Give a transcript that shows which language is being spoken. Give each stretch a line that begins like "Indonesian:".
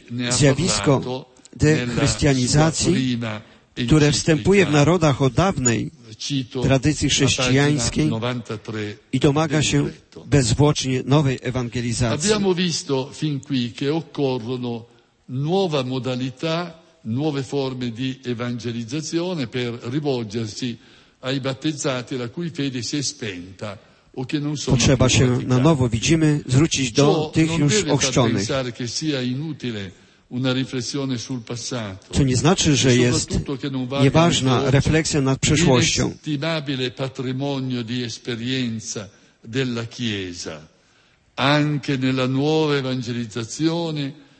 Polish: Zjawisko dechrystianizacji, które wstępuje w narodach od dawnej tradycji chrześcijańskiej i domaga się bezwłocznie nowej ewangelizacji.
Italian: Abbiamo visto fin qui che occorrono nuova modalità, nuove forme di evangelizzazione per rivolgersi ai battezzati la cui fede si è spenta o che non sono.
Polish: Potrzeba się na nowo, widzimy, zwrócić do tych już ochrzczonych.
Italian: Non deve far pensare che sia inutile una riflessione sul passato.
Polish: Co nie znaczy, że jest nieważna refleksja nad przeszłością.
Italian: Inestimabile patrimonio di esperienza della Chiesa anche nella nuova evangelizzazione.